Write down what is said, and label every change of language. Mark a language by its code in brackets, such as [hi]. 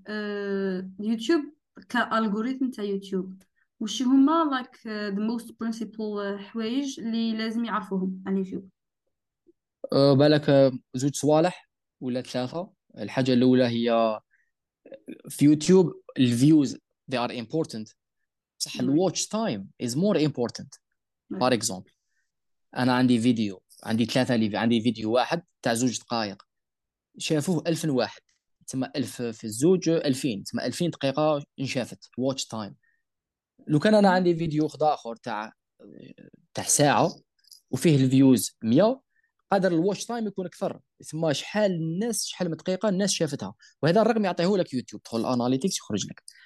[ar] اليوتيوب كالجوريثم تاع يوتيوب، وش هما لايك ذا موست برينسيبل حوايج اللي لازم يعرفوهم على اليوتيوب؟ بالك زوج صوالح ولا ثلاثة. الحاجة الأولى هي في يوتيوب الفيوز [en] they are important، [ar] صح. [en] الواتش time is more important. for example [ar] أنا عندي فيديو، عندي ثلاثة اللي عندي فيديو واحد تاع زوج دقائق شافوه 1000 واحد، تسمى 1000 في الزوج 2000، تسمى 2000 دقيقة انشافت [en] watch time. [ar] لو كان أنا عندي فيديو آخر تاع ساعة وفيه الفيوز 100، قدر الواتش تايم يكون اكثر، ثم شحال الناس، شحال من دقيقه الناس شافتها، وهذا الرقم يعطيه لك يوتيوب، تدخل الاناليتيكس يخرج لك.